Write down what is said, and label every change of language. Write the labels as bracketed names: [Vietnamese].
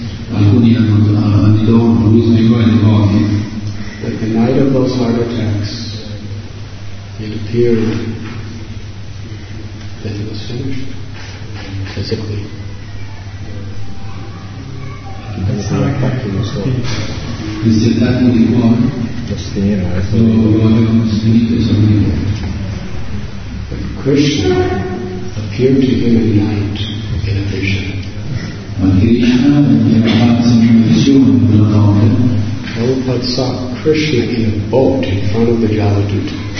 [Italian] Alcuni anni dopo lui spiegò ai devoti [English] that the night of those heart attacks it appeared that it was finished physically. [Italian] Questi attacchi di cuore avevano finito e sono vivo. [English] Krishna appeared to him at night in a vision. [Italian] Ma Krishna gli era apparso in una visione una notte. [English] Prabhupada saw Krishna in a boat in front of the Jaladuta.